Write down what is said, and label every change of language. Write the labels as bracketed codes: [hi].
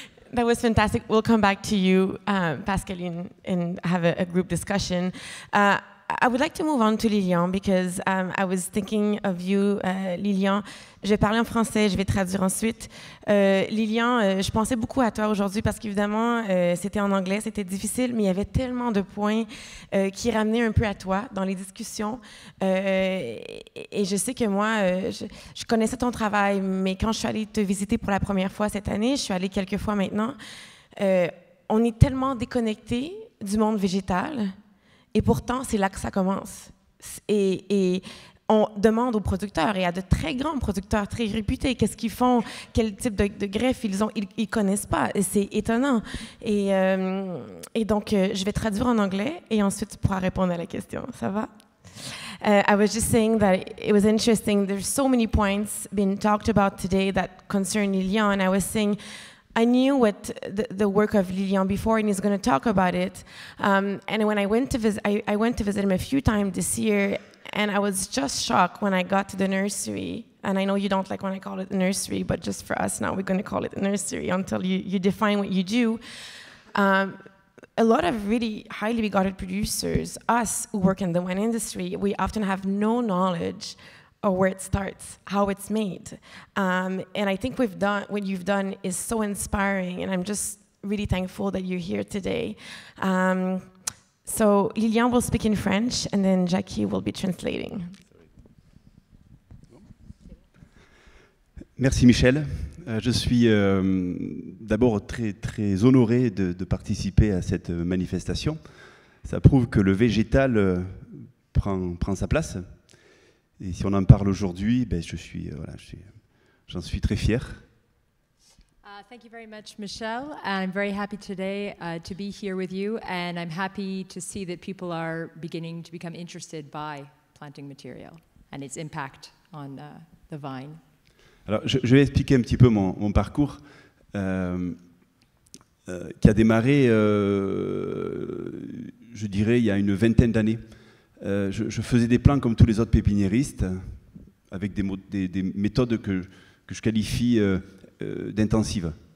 [en] That was fantastic. We'll come back to you, Pascaline, and have a group discussion. I would like to move on to Lilian, because I was thinking of you, Lilian. [fr] Je vais parler en français, je vais traduire ensuite. Lilian, je pensais beaucoup à toi aujourd'hui, parce qu'évidemment, c'était en anglais, c'était difficile, mais il y avait tellement de points qui ramenaient un peu à toi dans les discussions. Et je sais que moi, je connaissais ton travail, mais quand je suis allée te visiter pour la première fois cette année, je suis allée quelques fois maintenant, on est tellement déconnectés du monde végétal. Et pourtant, c'est là que ça commence. Et on demande aux producteurs, et à de très grands producteurs, très réputés, qu'est-ce qu'ils font, quel type de greffe ils ont, ils ne connaissent pas. Et c'est étonnant. Et donc, je vais traduire en anglais, et ensuite, tu pourras répondre à la question. Ça va? [en] I was just saying that it was interesting. There's so many points being talked about today that concern Lilian. And I was saying, I knew what the work of Lilian before, and he's going to talk about it. And when I went to visit, I went to visit him a few times this year, and I was just shocked when I got to the nursery. And I know you don't like when I call it the nursery, but just for us now, we're going to call it the nursery until you define what you do. A lot of really highly regarded producers, us who work in the wine industry, we often have no knowledge or where it starts, how it's made. And I think what you've done is so inspiring, and I'm just really thankful that you're here today. So Lilian will speak in French, and then Jackie will be translating. [fr] Merci Michel. Je suis d'abord très, très honoré de participer à cette manifestation. Ça prouve que le végétal prend sa place. Et si on en parle aujourd'hui, ben j'en suis très fier. [en] Thank you very much, Michel. I'm very happy today to be here with you, and I'm happy to see that people are beginning to become interested by planting material and its impact on the vine. [fr] Alors, je vais expliquer un petit peu mon parcours qui a démarré, je dirais, il y a une vingtaine d'années. je faisais des plans comme tous les autres pépiniéristes, avec des méthodes que je qualifie d'intensives.